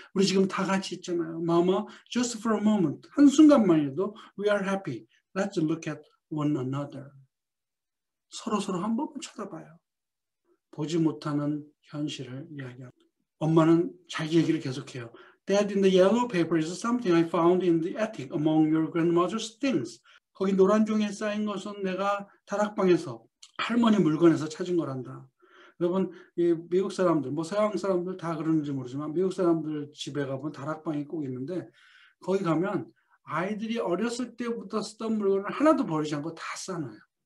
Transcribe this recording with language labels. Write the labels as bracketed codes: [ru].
[ko] 우리 지금 다 같이 있잖아요. [en] Mama, just for a moment, [ko] 한순간만이라도 [en] we are happy. Let's look at one another. [ko] 서로서로 한 번만 쳐다봐요. 보지 못하는 현실을 이야기합니다. 엄마는 자기 얘기를 계속해요. [en] Dad, in the yellow paper is something I found in the attic among your grandmother's things. [ko] 거기 노란 종이에 쌓인 것은 내가 다락방에서 할머니 물건에서 찾은 거란다. 여러분, 이 미국 사람들, 뭐 서양 사람들 다 그러는지 모르지만 미국 사람들 집에 가면 다락방이 꼭 있는데 거기 가면 아이들이 어렸을 때부터 쓰던 물건을 하나도 버리지 않고 다 쌓아놔요.